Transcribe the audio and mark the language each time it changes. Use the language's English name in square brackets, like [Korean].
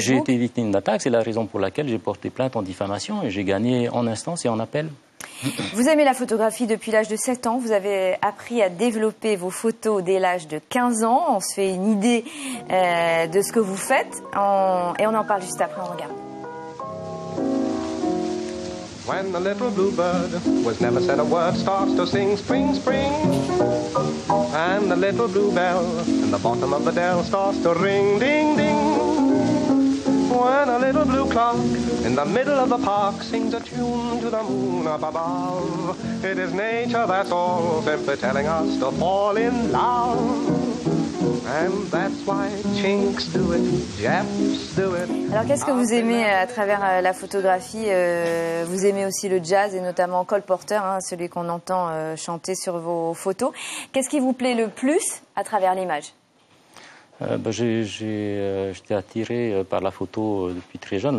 [French] J'ai été victime d'attaques, c'est la raison pour laquelle j'ai porté plainte en diffamation et j'ai gagné en instance et en appel. Vous aimez la photographie depuis l'âge de 7 ans. Vous avez appris à développer vos photos dès l'âge de 15 ans. On se fait une idée de ce que vous faites. Et on en parle juste après, on regarde. [English] When the little bluebird was never said a word starts to sing spring, spring. And the little bluebell in the bottom of the dell starts to ring, ding, ding. When a little blue clock in the middle of the park sings a tune to the moon up above. It is nature, that's all, simply telling us to fall in love. And that's why chinks do it, Japs do it. [French] Alors qu'est-ce que vous aimez à travers la photographie? Vous aimez aussi le jazz et notamment Cole Porter, hein, celui qu'on entend chanter sur vos photos. Qu'est-ce qui vous plaît le plus à travers l'image? J'étais attiré par la photo depuis très jeune.